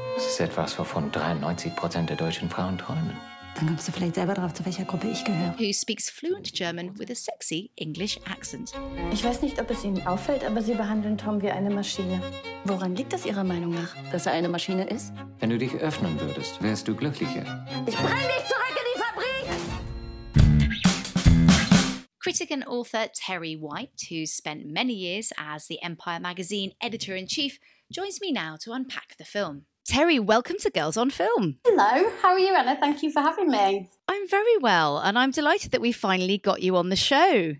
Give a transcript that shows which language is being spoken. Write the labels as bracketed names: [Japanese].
[German] Das ist etwas, wovon 93% der deutschen Frauen träumen. Dann kommst du vielleicht selber drauf, zu welcher Gruppe ich gehöre. [English] Who speaks fluent German with a sexy English accent. [German] Ich weiß nicht, ob es Ihnen auffällt, aber Sie behandeln Tom wie eine Maschine. Woran liegt das Ihrer Meinung nach, dass er eine Maschine ist? Wenn du dich öffnen würdest, wärst du glücklicher. Ich bring dich zurück! [English] Critic and author Terri White, who's spent many years as the Empire magazine editor-in-chief, joins me now to unpack the film. Terri, welcome to Girls on Film. Hello, how are you, Anna? Thank you for having me. I'm very well, and I'm delighted that we finally got you on the show.